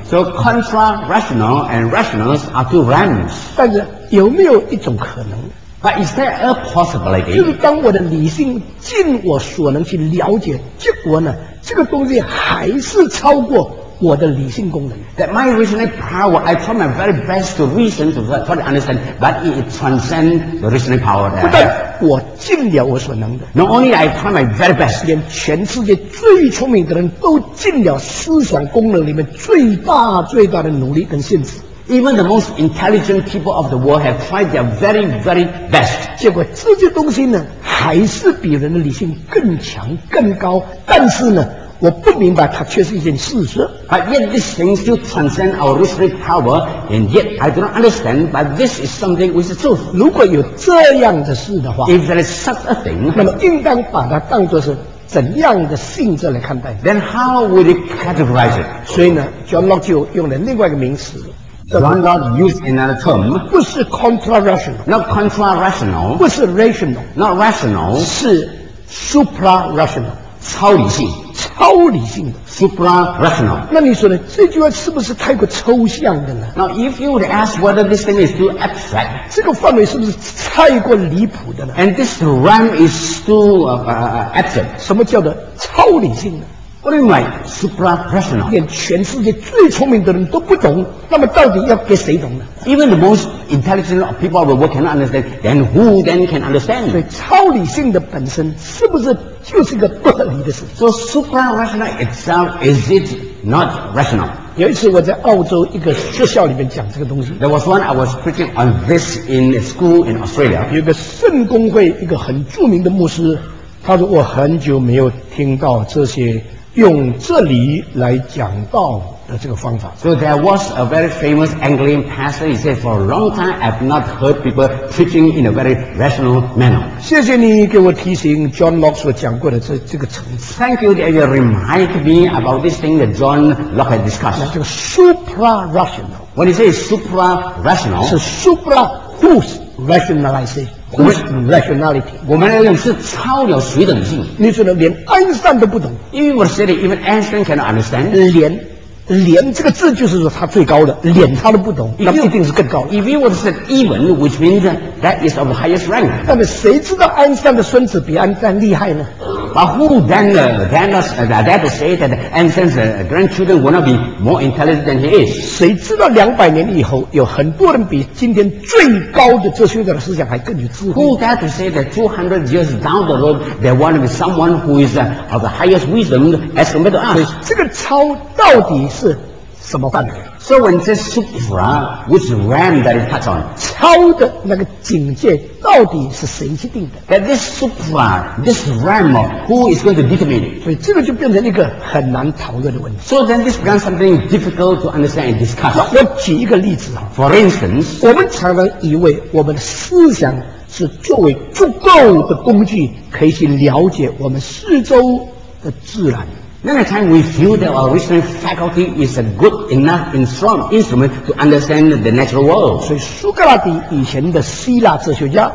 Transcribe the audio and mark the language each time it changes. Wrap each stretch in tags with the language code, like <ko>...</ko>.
<en>So contra-rational and rationals are two realms.</en> <zh>但是有没有一种可能？</zh> <en>But is there a possibility?</en> <zh>就是当我的理性尽我所能去了解，结果呢，这个东西还是超过我的理性功能。</zh> <en>That my reasoning power, I try my very best to reason, to try to understand, but it transcends the reasoning power that I have.</en> <zh>我尽了我所能的。</zh> <en>Not only I try my very best.</en> <zh>连全世界最聪明的人都尽了思想功能里面最大最大的努力跟限制。</zh> <en>Even the most intelligent people of the world have tried their very, very best.</en> <zh>结果这些东西呢，还是比人的理性更强、更高，但是呢，我不明白它却是一件事实。</zh> <en>But yet this thing still transcends our reasoning power, and yet I do not understand, but this is something which is truth.</en> <zh>如果有这样的事的话，</zh> <en>If there is such a thing,</en> <zh>那么应当把它当作是怎样的性质来看待。</zh> <en>Then how would it categorize it?</en> <zh>所以呢， John Locke 就用了另外一个名词。</zh> <en>John Locke used another term.</en> <zh>不是 contra-rational.</zh> <en>Not contra-rational.</en> <zh>不是 rational.</zh> <en>Not rational.</en> <zh>是 supra-rational. 超理性。超理性的</zh> <en>supra-rational.</en> <zh>那你说呢，这句话是不是太过抽象的呢？</zh> <en>Now if you would ask whether this thing is too abstract,</en> <zh>这个范围是不是太过离谱的呢？</zh> <en>And this realm is too abstract.</en> <zh>什么叫做超理性呢？</zh> <en>What do you mean supra-rational?</en> <zh>连全世界最聪明的人都不懂，那么到底要给谁懂呢？</zh> <en>Even the most intelligent of people of the world cannot understand, then who then can understand?</en> <zh>所以超理性的本身是不是就是个不合理的事？</zh> <en>So supra-rational itself, is it not rational?</en> <zh>有一次我在澳洲一个学校里面讲这个东西。</zh> <en>There was one I was preaching on this in a school in Australia.</en> <zh>有个圣公会一个很著名的牧师，他说我很久没有听到这些用这里来讲道的这个方法。</zh> <en>So there was a very famous Anglican pastor. He said, for a long time, I've not heard people preaching in a very rational manner.</en> <zh>谢谢你给我提醒 John Locke 所讲过的这个层次。</zh> <en>Thank you that you remind me about this thing that John Locke had discussed.</en> <zh>那这个 supra-rational.</zh> <en>When he says supra-rational, 是 supra whose rationalization. Whose rationality?</en> <zh>我们来用是超有水准性。你说的连爱因斯坦都不懂。</zh> <en>Even we said even Einstein cannot understand.</en> <zh>连这个字就是说他最高的，连他都不懂，那一定是更高的。</zh> <en>If we said even, which means that is of highest rank.</en> <zh>那么谁知道爱因斯坦的孙子比爱因斯坦厉害呢？</zh> <en>But who then say that Einstein's grandchildren will not be more intelligent than he is?</en> <zh>谁知道两百年以后有很多人比今天最高的哲学家的思想还更有智慧？</zh> <en>Who dare to say that 200 years down the road there will be someone who is of the highest wisdom as compared to us?</en> <zh>所以这个超到底是什么范围？</zh> <en>So when it says supra, which realm that it touches on?</en> <zh>超的那个境界到底是谁去定的？</zh> <en>That this supra, this realm, who is going to determine it?</en> <zh>所以这个就变成一个很难讨论的问题。</zh> <en>So then this becomes something difficult to understand and discuss.</en> <zh>我举一个例子啊。</zh> <en>For instance,</en> <zh>我们常常以为我们的思想是作为足够的工具，可以去了解我们四周的自然。</zh> <en>Many times we feel that our reasoning faculty is a good enough and strong instrument to understand the natural world.</en> <zh>所以苏格拉底以前的希腊哲学家</zh>